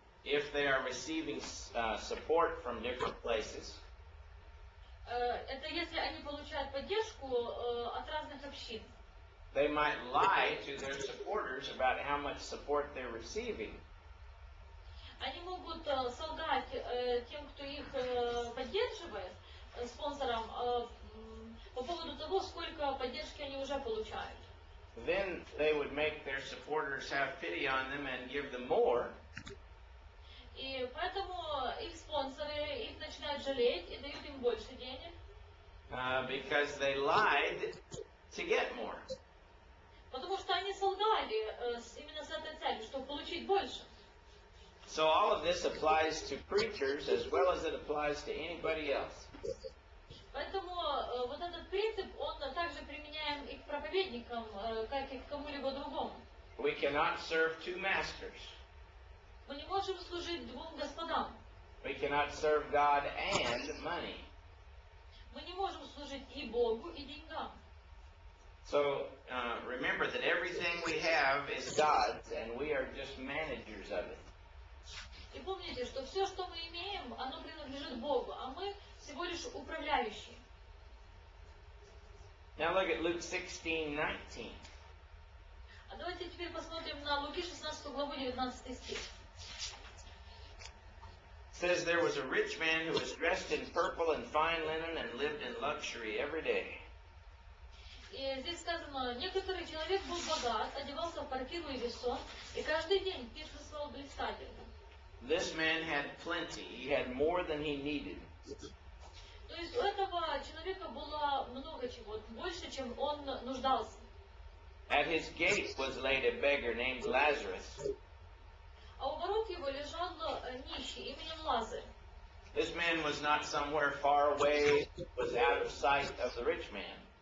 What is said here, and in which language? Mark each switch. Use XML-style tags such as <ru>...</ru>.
<en>if they are receiving support from different places.</en> <ru>Это если они получают поддержку от разных общин.</ru> <en>They might lie to their supporters about how much support they're receiving.</en> <ru>Они могут солгать тем, кто их поддерживает, спонсорам, по поводу того, сколько поддержки они уже получают.</ru> <en>Then they would make their supporters have pity on them and give them more.</en> <ru>И поэтому их спонсоры их начинают жалеть и дают им больше денег.</ru> <en>Because they lied to get more.</en> <ru>Потому что они солгали именно с этой целью, чтобы получить больше.</ru> <en>So all of this applies to preachers as well as it applies to anybody else.</en> <ru>Поэтому вот этот принцип, он также применяем и к проповедникам, как и к кому-либо другому.</ru> <en>We cannot serve two masters.</en> <ru>Мы не можем служить двум господам.</ru> <en>We cannot serve God and money.</en> <ru>Мы не можем служить и Богу, и деньгам.</ru> <en>So, remember that everything we have is God's, and we are just managers of it.</en> <ru>И помните, что все, что мы имеем, оно принадлежит Богу, а мы всего лишь управляющие.</ru> <en>Now look at Luke 16:19.</en> <ru>А давайте теперь посмотрим на Луки 16, главу 19 стих.</ru> <en>Says there was a rich man who was dressed in purple and fine linen and lived in luxury every day.</en> <ru>И здесь сказано, некоторый человек был богат, одевался в парфюм и весон, и каждый день пиршествовал блистательно.</ru> <en>This man had plenty. He had more than he needed.</en> <ru>То есть у этого человека было много чего, больше, чем он нуждался.</ru> <en>At his gate was laid a beggar named Lazarus.</en> <ru>А у ворот его лежал нищий именем Лазарь.</ru> <en>This man was not somewhere far away, was out of sight of the rich man.</en>